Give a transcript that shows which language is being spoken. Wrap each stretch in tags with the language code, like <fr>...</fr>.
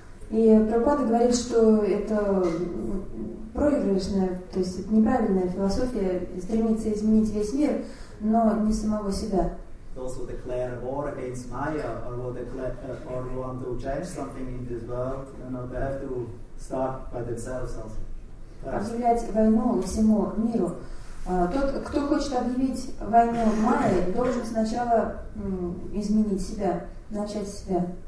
<ru>И Прабхупада говорит, что это проигрышная, то есть это неправильная философия, стремиться изменить весь мир, но не самого себя.</ru> <en>Also declare war against Maya, or will declare, or will want to change something in this world. You know, they have to start by themselves.</en> <ru>Объявлять войну всему миру. Тот, кто хочет объявить войну Майе, должен сначала изменить себя, начать себя.</ru>